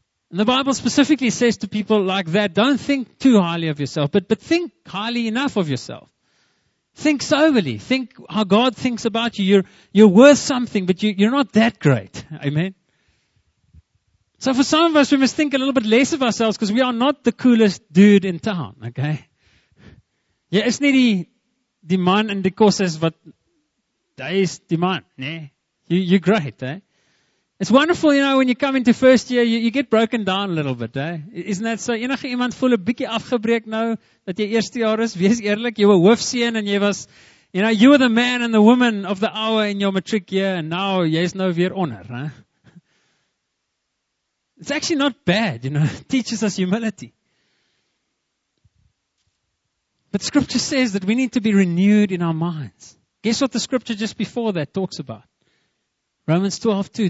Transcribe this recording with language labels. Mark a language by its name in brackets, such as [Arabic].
[English] And the Bible specifically says to people like that, don't think too highly of yourself, but think highly enough of yourself. Think soberly. Think how God thinks about you. You're worth something, but you're not that great. Amen. So for some of us, we must think a little bit less of ourselves because we are not the coolest dude in town, okay? [Afrikaans] Jy is nie die man in die kosses wat jy is die man, nee. [English] You great, eh? It's wonderful, you know, when you come into first year, you get broken down a little bit, eh? Isn't that so? [Afrikaans] Enige iemand voel 'n bietjie afgebreek nou dat jy eerste jaar is. Wees eerlik, jy was hoofseun en jy was, [English] you know, you were the man and the woman of the hour in your matric year, and now [Afrikaans] jy is nou weer onder, [English] eh? It's actually not bad, you know. It teaches us humility. But scripture says that we need to be renewed in our minds. Guess what the scripture just before that talks about? Romans 12:2.